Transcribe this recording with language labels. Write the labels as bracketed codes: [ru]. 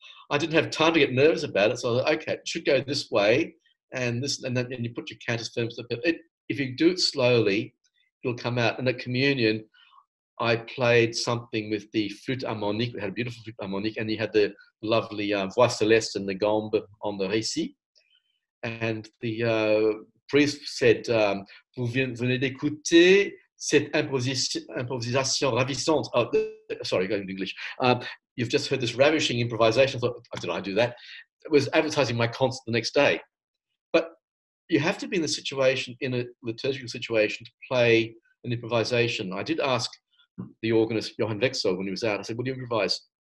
[en] I didn't have time to get nervous about it, so I thought, okay, it should go this way, and this, and then and you put your cantus firmus up. If you do it slowly, it'll come out. And at communion, I played something with the flute harmonique. We had a beautiful flute harmonique, and you had the lovely voix céleste and the gombe on the récit. And the priest said, [fr] vous venez d'écouter cette improvisation ravissante. [en] Oh, sorry, going to English. You've just heard this ravishing improvisation. I thought, did I do that? It was advertising my concert the next day. But you have to be in the situation, in a liturgical situation, to play an improvisation. I did ask the organist, Johann Wexel, when he was out, I said, will you improvise?